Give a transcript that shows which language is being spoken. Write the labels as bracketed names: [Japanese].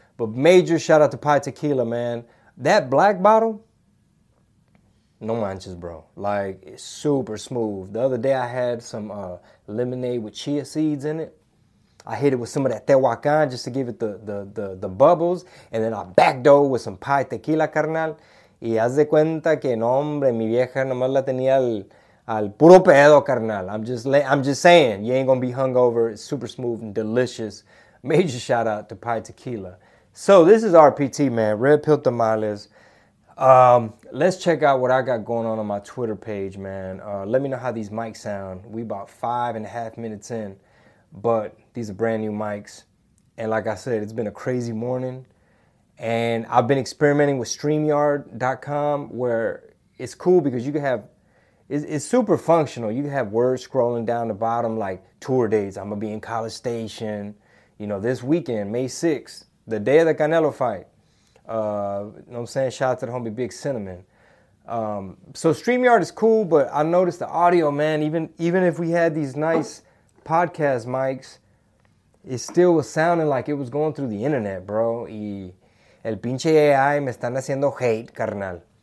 [English] But major shout out to Pie Tequila, man. That black bottle, [Spanish] no manches, [English] bro. Like, it's super smooth. The other day I had some lemonade with chia seeds in it. I hit it with some of that Tehuacan just to give it the bubbles. And then I backed over with some Pie Tequila, carnal. [Spanish] Y haz de cuenta que, no hombre, mi vieja nomás la tenía al puro pedo, carnal. [English] I'm just saying, you ain't gonna be hungover. It's super smooth and delicious. Major shout out to Pie Tequila. So this is RPT, man. Red Pill Tamales. Let's check out what I got going on my Twitter page, man. Let me know how these mics sound. We about 5.5 minutes in, but these are brand new mics. And like I said, it's been a crazy morning. And I've been experimenting with StreamYard.com, where it's cool because you can have, it's super functional. You can have words scrolling down the bottom, like tour dates. I'm gonna be in College Station, you know, this weekend, May 6th, the day of the Canelo fight. You know what I'm saying? Shout out to the homie Big Cinnamon. So StreamYard is cool, but I noticed the audio, man, even if we had these nice podcast mics, it still was sounding like it was going through the internet, bro. [Spanish] Y el pinche AI me están haciendo hate, carnal.